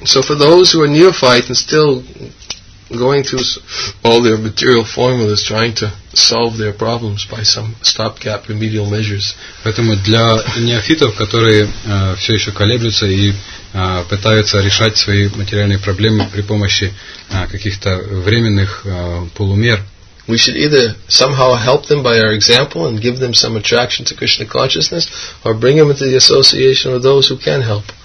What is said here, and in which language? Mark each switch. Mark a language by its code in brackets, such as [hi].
[en] So for those who are neophyte and still going through all their material formulas, trying to solve their problems by some stopgap remedial measures. [ru] Поэтому для неофитов, которые все еще колеблются и пытаются решать свои материальные проблемы при помощи каких-то временных полумер. [en] We should either somehow help them by our example and give them some attraction to Krishna consciousness, or bring them into the association of those who can help.